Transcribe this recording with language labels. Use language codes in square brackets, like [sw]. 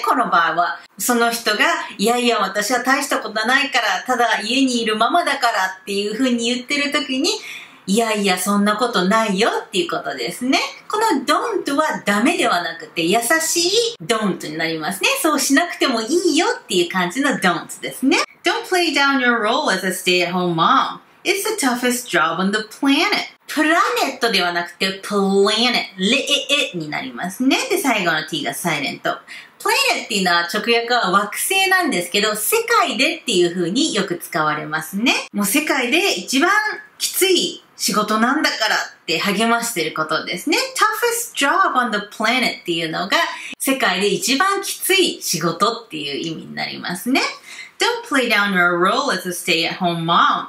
[ja] この場合は、その人が、いやいや、私は大したことないから、ただ家にいるママだからっていうふうに言ってる時に、いやいや、そんなことないよっていうことですね。この don't はダメではなくて優しい don't になりますね。そうしなくてもいいよっていう感じの don't ですね。 [en] Don't play down your role as a stay-at-home mom. It's the toughest job on the planet. [ja] プラネットではなくて planet。レになりますね。で、最後の t がサイレント。planet っていうのは直訳は惑星なんですけど、世界でっていう風によく使われますね。もう世界で一番きつい仕事なんだからって励ましてることですね。 [en] toughest job on the planet [ja] っていうのが世界で一番きつい仕事っていう意味になりますね。 [en] Don't play down your role as a stay-at-home mom.